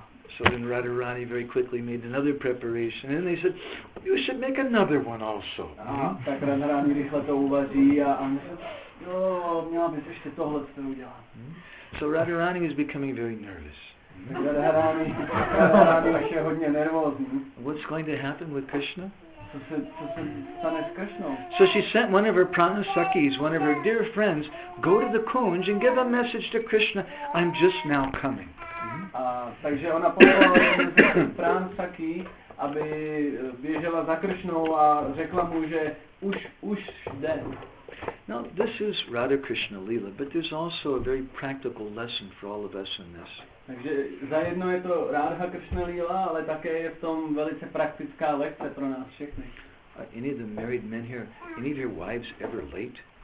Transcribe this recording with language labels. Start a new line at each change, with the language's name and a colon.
English: So then Radharani very quickly made another preparation and they said, you should make another one also.
Czech: Tak Radharani rychle to uvaří a měla bys ještě tohle co udělat.
English: So Radharani is becoming very nervous.
Czech: Radharani už je hodně nervózní.
English: What's going to happen with Krishna?
Czech: Co se stane s Krishnou?
English: So she sent one of her prana sakis, one of her dear friends, go to the kunj and give a message to Krishna, I'm just now coming.
Czech: Takže ona poslala prana saki, aby běžela za Krishnou a řekla mu, že už jde.
English: Now, this is Radha Krishna Leela, but there's also a very practical lesson for all of us in this.
Czech: Takže za jedno je to Radha Krishna Leela, ale také je v tom velice praktická lekce pro nás všechny.
English: Are any of the married men here, any of your wives ever late?